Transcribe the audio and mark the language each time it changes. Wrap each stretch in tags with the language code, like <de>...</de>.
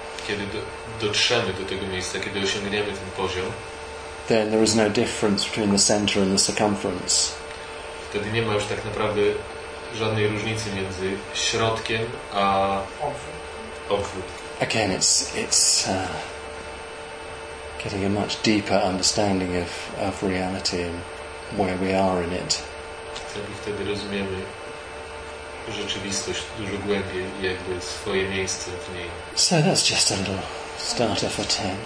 <pl>kiedy dotrzemy do tego miejsca, kiedy osiągniemy ten poziom,</pl> <en>then there is no difference between the center and the circumference.</en> <pl>Wtedy nie ma już tak naprawdę żadnej różnicy między środkiem a obwód.</pl> <en>Again, it's getting a much deeper understanding of reality and where we are in it.</en> <pl>Wtedy rozumiemy rzeczywistość dużo głębiej, jakby swoje miejsce w niej.</pl> <en>So that's just a little starter for 10.</en>